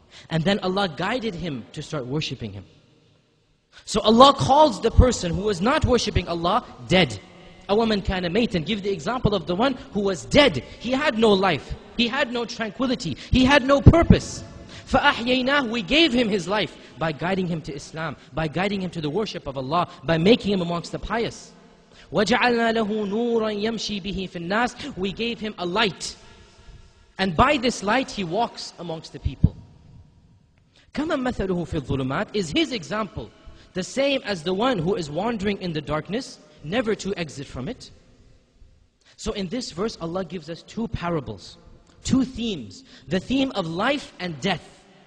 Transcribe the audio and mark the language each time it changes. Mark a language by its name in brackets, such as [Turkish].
[English] And then Allah guided him to start worshipping Him. So Allah calls the person who was not worshipping Allah dead. [Arabic] أَوَمَنْ كَانَ مَيْتًا [English] Give the example of the one who was dead. He had no life. He had no tranquility. He had no purpose. [Arabic] فَأَحْيَيْنَاهُ [English] We gave him his life by guiding him to Islam, by guiding him to the worship of Allah, by making him amongst the pious. [Arabic] وَجَعَلْنَا لَهُ نُورًا يَمْشِي بِهِ فِي النَّاسِ [English] We gave him a light. And by this light, he walks amongst the people. [Arabic] كَمَا مَثَلُهُ فِي الظُّلُمَاتِ [English] Is his example the same as the one who is wandering in the darkness, never to exit from it? So in this verse, Allah gives us two parables. Two themes, the theme of life and death.